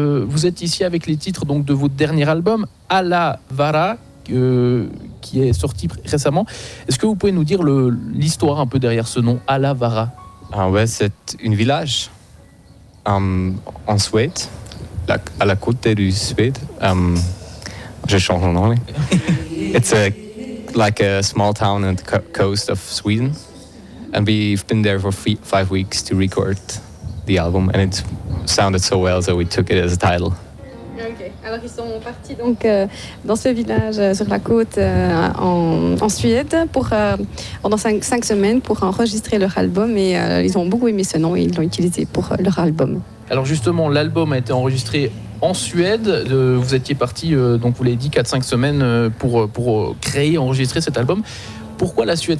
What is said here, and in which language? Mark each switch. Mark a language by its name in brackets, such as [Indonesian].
[French] Vous êtes ici avec les titres donc, de votre dernier album, Alla Vara, qui est sorti récemment. Est-ce que vous pouvez nous dire l'histoire un peu derrière ce nom, Alla Vara? Ouais, c'est un village en Suède, à la côte du Suède. Je change en anglais. [English] It's a, like a small town on the coast of Sweden. And we've been there for 5 weeks to record the album. And it sounded so well, so we took it as a title. [French] Alors ils sont partis donc dans ce village sur la côte en Suède pour pendant cinq semaines pour enregistrer leur album et ils ont beaucoup aimé ce nom et ils l'ont utilisé pour leur album. Alors justement l'album a été enregistré en Suède, vous étiez parti donc vous l'avez dit 4-5 semaines pour créer, enregistrer cet album. Pourquoi la Suède?